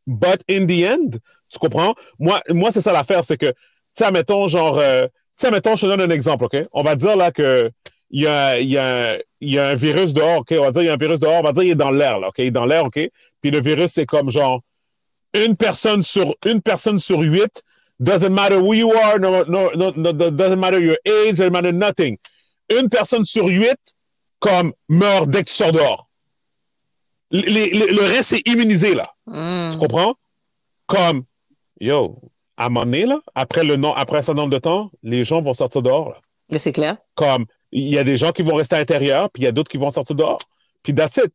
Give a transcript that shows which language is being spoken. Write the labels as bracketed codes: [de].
[en] But in the end, [fr] tu comprends? Moi, c'est ça l'affaire, c'est que, tu sais, mettons, genre, sais, mettons, je te donne un exemple, OK? On va dire là que il y a un virus dehors, OK? On va dire qu'il y a un virus dehors, on va dire qu'il est dans l'air, là, OK? Il est dans l'air, OK? Puis le virus, c'est comme genre une personne sur huit. [en] Doesn't matter who you are, no, doesn't matter your age, doesn't matter nothing. [fr] Une personne sur huit, comme, meurt dès que tu sors dehors. Le reste est immunisé, là. Mm. Tu comprends? Comme, yo, à un moment donné, là, après un certain nombre de temps, les gens vont sortir dehors, là. Mais c'est clair. Comme, il y a des gens qui vont rester à l'intérieur, puis il y a d'autres qui vont sortir dehors. Puis [en] that's it.